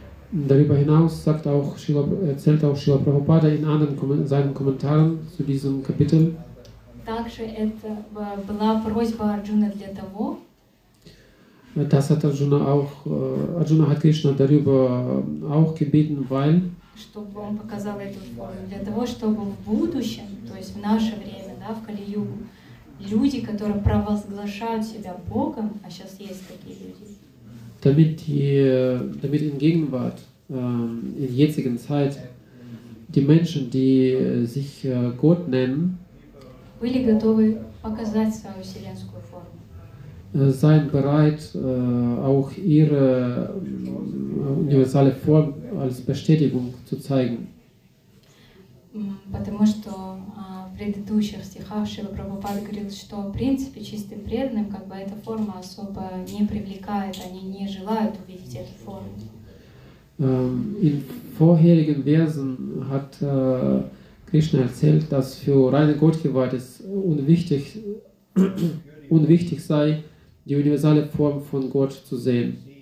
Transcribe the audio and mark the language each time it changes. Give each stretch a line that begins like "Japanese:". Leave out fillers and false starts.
German: Darüber hinaus sagt auch Shila, erzählt auch Shila Prabhupada in anderen seinen Kommentaren zu diesem Kapitel.
Russian: Также это была просьба Арджуны для того.
German: Das hat Arjuna auch, Arjuna hat Krishna darüber auch gebeten, weil.
Russian: Чтобы он показал эту форму для того, чтобы в будущем, то есть в наше время, да, в Кали-Югу, люди, которые провозглашают себя Богом, а сейчас есть такие люди.
German: Damit in Gegenwart, in jetzigen Zeit, die Menschen, die sich Gott nennen,
Russian: были готовы показать свою вселенскую форму.
German: Seien bereit, auch ihre universale Form als Bestätigung zu zeigen.
Russian: Потому что в предыдущих стихах Шрила Прабхупада говорил, что в принципе чистым преданным как бы эта форма особо не привлекает, они не желают увидеть эту форму.
German: In vorherigen Versen hat Krishna erzählt, dass für reine Gottgeweihte es unwichtig sei, die universale Form von Gott zu sehen.